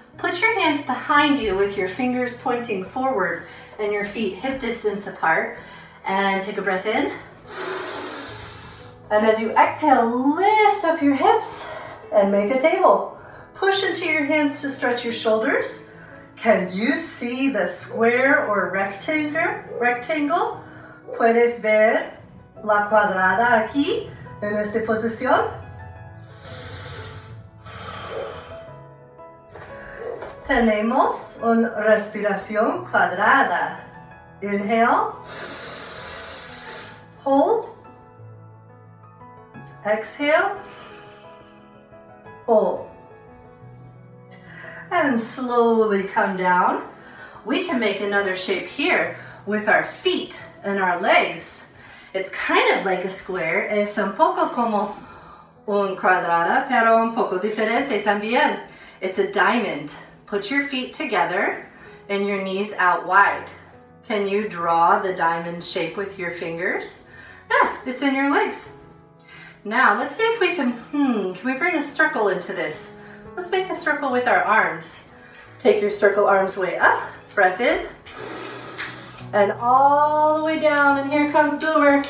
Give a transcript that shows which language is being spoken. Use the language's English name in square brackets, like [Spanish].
[English] Put your hands behind you with your fingers pointing forward and your feet hip distance apart. And take a breath in. And as you exhale, lift up your hips and make a table. Push into your hands to stretch your shoulders. Can you see the square or rectangle? [Spanish] ¿Puedes ver la cuadrada aquí en esta posición? Tenemos una respiración cuadrada. [English] Inhale. Hold, exhale, hold, and slowly come down. We can make another shape here. with our feet and our legs. It's kind of like a square. [Spanish] Es un poco como un cuadrado, pero un poco diferente también. [English] It's a diamond. Put your feet together and your knees out wide. Can you draw the diamond shape with your fingers? Yeah, it's in your legs. Now, let's see if we can we bring a circle into this? Let's make a circle with our arms. Take your circle arms way up, breath in, and all the way down, and here comes Boomer.